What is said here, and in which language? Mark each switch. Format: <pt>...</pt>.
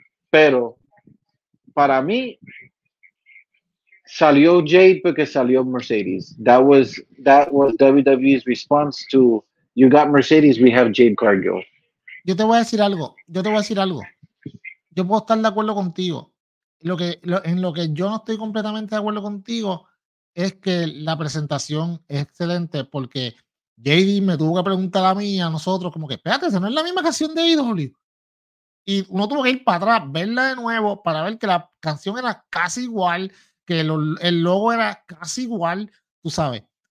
<es>Pero para mí salió Jade porque salió Mercedes.</es> <en>That was WWE's response to you got Mercedes, we have Jade Cargill.</en> <es>Yo te voy a decir algo. Yo puedo estar de acuerdo contigo. En lo que yo no estoy completamente de acuerdo contigo es que la presentación es excelente porque JD me tuvo que preguntar a mí, a nosotros, como que espérate, esa no es la misma canción de AEW. Y uno tuvo que ir para atrás, verla de nuevo, para ver que la canción era casi igual, que el logo era casi igual, tú sabes.</es>